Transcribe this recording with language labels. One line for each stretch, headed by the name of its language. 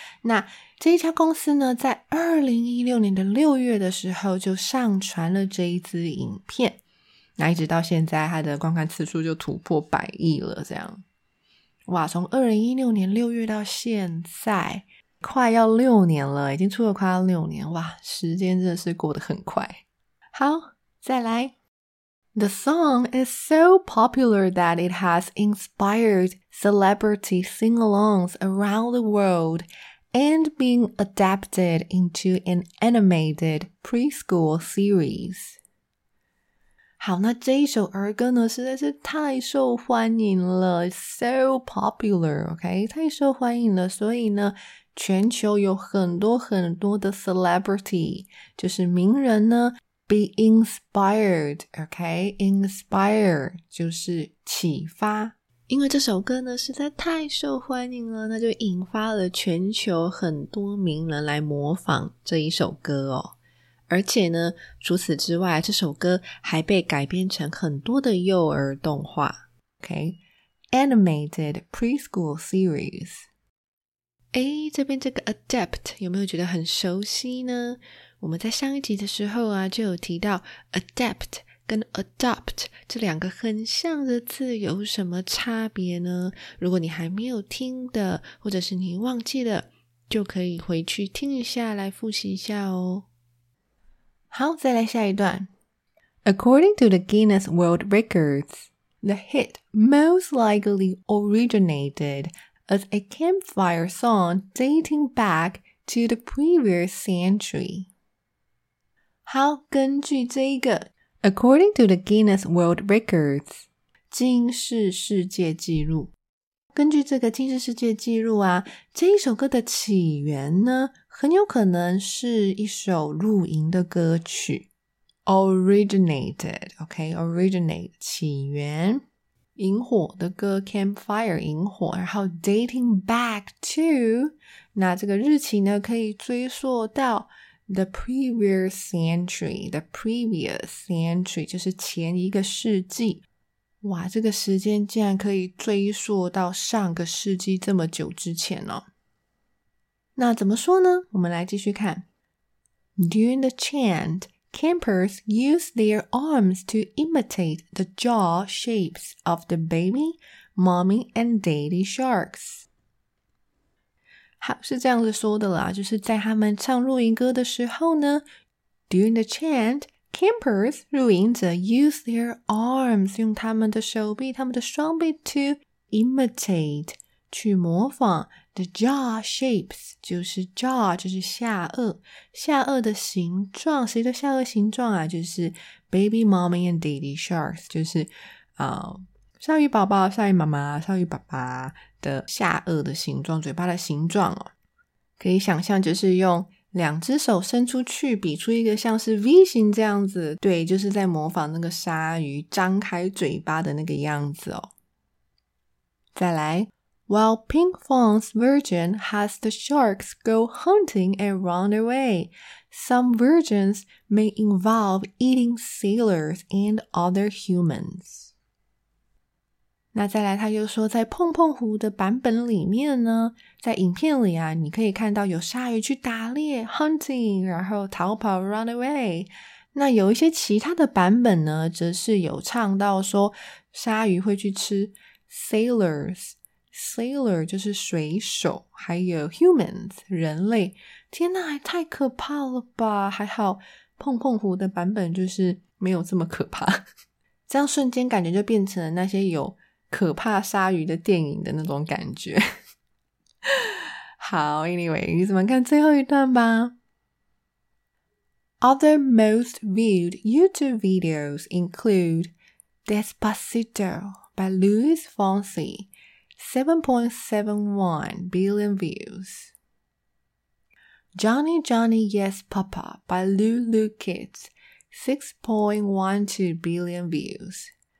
Chinese: 那这一家公司呢，在2016年的6月的时候就上传了这一支影片，那一直到现在它的观看次数就突破百亿了这样。哇，从2016年6月到现在快要6年了，已经出了快要6年，哇，时间真的是过得很快。好，再来
English: The song is so popular that it has inspired celebrity sing-alongs around the world and been adapted into an animated preschool series.
Chinese: 好，那这一首儿歌呢，实在是太受欢迎了 ，
English: so popular，
Chinese: OK， 太受欢迎了，所以呢，全球有很多很多的 celebrity， 就是名人呢 ，
English: be inspired，
Chinese: OK， inspire 就是启发，因为这首歌呢实在太受欢迎了，那就引发了全球很多名人来模仿这一首歌哦。而且呢，除此之外，这首歌还被改编成很多的幼儿动画。
English: Okay, animated preschool series.
Chinese: 诶，这边这个 adapt 有没有觉得很熟悉呢？我们在上一集的时候啊，就有提到 adapt 跟 adopt 这两个很像的字有什么差别呢？如果你还没有听的，或者是你忘记了，就可以回去听一下，来复习一下哦。好，再来下一段。
English: According to the Guinness World Records, the hit most likely originated as a campfire song dating back to the previous century.
Chinese: 好，根据这个
English: ,According to the Guinness World Records,
Chinese: 金氏世界纪录。根据这个金氏世界纪录啊，这一首歌的起源呢，很有可能是一首露营的歌曲。 Originated, OK, originate, 起源。萤火的歌 campfire, 萤火。然后
English: dating back to,
Chinese: 那这个日期呢可以追溯到
English: the previous century,
Chinese: the previous century, 就是前一个世纪。哇，这个时间竟然可以追溯到上个世纪这么久之前哦。那怎么说呢？我们来继续看。
English: During the chant, campers use their arms to imitate the jaw shapes of the baby, mommy, and daddy sharks.
Chinese: 好，是这样子说的啦，就是在他们唱露营歌的时候呢，
English: During the chant,
Chinese: campers 露营者
English: use their arms
Chinese: 用他们的手臂、他们的双臂
English: to imitate
Chinese: 去模仿。
English: The jaw shapes,
Chinese: 就是 jaw, 就是下颚。下颚的形状，谁的下颚形状啊？就是
English: baby, mommy, and daddy sharks, 就是
Chinese: 鲨鱼宝宝、鲨鱼妈妈、鲨鱼爸爸的下颚的形状，嘴巴的形状哦。可以想象就是用两只手伸出去，比出一个像是 V 型这样子。对，就是在模仿那个鲨鱼张开嘴巴的那个样子哦。再来。
English: While Pink Fong's version has the sharks go hunting and run away, some versions may involve eating sailors and other humans.
Chinese: 那再来他又说在碰碰虎的版本里面呢，在影片里啊，你可以看到有鲨鱼去打猎 ,hunting, 然后逃跑 ,
English: run away。
Chinese: 那有一些其他的版本呢，则是有唱到说鲨鱼会去吃 sailors,Sailor 就是水手，还有 humans 人类。天哪，还太可怕了吧！还好碰碰虎的版本就是没有这么可怕。这样瞬间感觉就变成了那些有可怕鲨鱼的电影的那种感觉。好 ，Anyway， 你怎么看最后一段吧
English: ？Other most viewed YouTube videos include Despacito by Luis Fonsi. 7.71 billion views. Johnny Johnny Yes Papa by Lulu Kids, 6.12 billion views.